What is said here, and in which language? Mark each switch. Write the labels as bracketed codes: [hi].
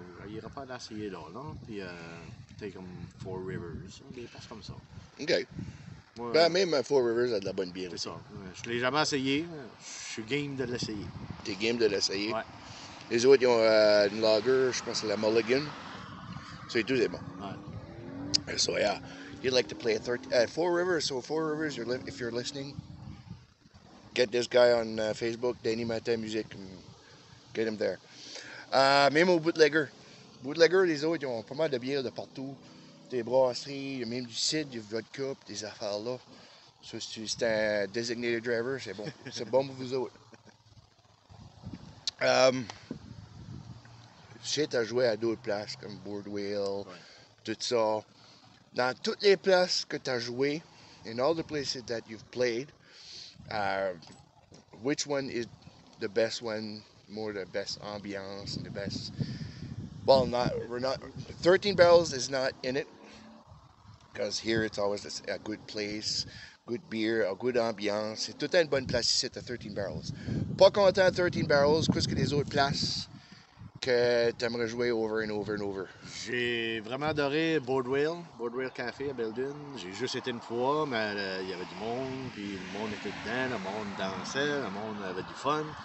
[fr] J'irai pas l'essayer là, non? Puis peut-être comme Four Rivers. Des places comme ça. Okay. Ouais. Ben, même Four Rivers a de la bonne bière. C'est ça. Je ne l'ai jamais essayé. Je suis game de l'essayer. Tu es game de l'essayer? Ouais. Les autres, ils ont une lager, je pense que c'est la Mulligan. C'est tout, c'est bon. Ouais. [en] So yeah, you'd like to play Four Rivers. So Four Rivers, if you're listening, get this guy on Facebook, Danny Maltais Music, and get him there. [fr] Même au bootlegger. Bootlegger, les autres, ils ont pas mal de bières de partout. Des brasseries, même du cid, du vodka, des affaires-là. So si c'est un designated driver, c'est bon. C'est bon pour vous autres. Shit, t'as joué à d'autres places, comme Boardwheel, tout ça. Dans toutes les places que t'as joué, [en] in all the places that you've played, which one is the best one, more the best ambiance, and the best... Well, not, we're not... 13 Barrels is not in it, because here it's always a good place, good beer, a good ambiance. [fr] C'est tout une bonne place ici, t'as 13 Barrels. Pas content, 13 Barrels, qu'est-ce que les autres places que t'aimerais jouer [en] over and over and over? [fr] J'ai vraiment adoré Boardwheel, Boardwheel Café à Belledune. J'ai juste été une fois, mais il y avait du monde, puis le monde était dedans, le monde dansait, le monde avait du fun.